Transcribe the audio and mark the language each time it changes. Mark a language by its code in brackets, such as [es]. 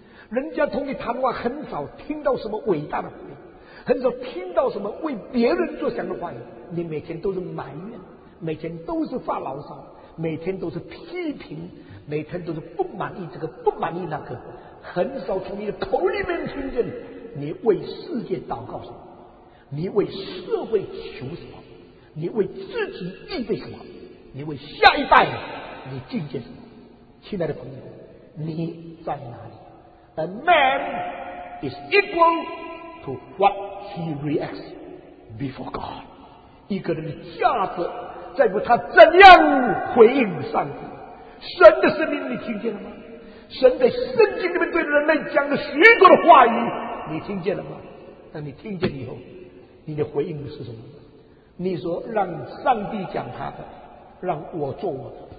[zh] 人家同你谈话很少听到什么伟大的话语，很少听到什么为别人着想的话语，你每天都是埋怨，每天都是发牢骚，每天都是批评，每天都是不满意这个不满意那个，很少从你的口里面听见你为世界祷告什么，你为社会求什么，你为自己预备什么，你为下一代你境界什么。亲爱的朋友，你在哪里？ [en] A man is equal to what he reacts before God. [zh] 一个人的价值在乎他怎样回应上帝。神的声音你听见了吗？神在圣经里面对人类讲的许多的话语你听见了吗？那你听见以后你的回应是什么？你说让上帝讲他的，让我做我的。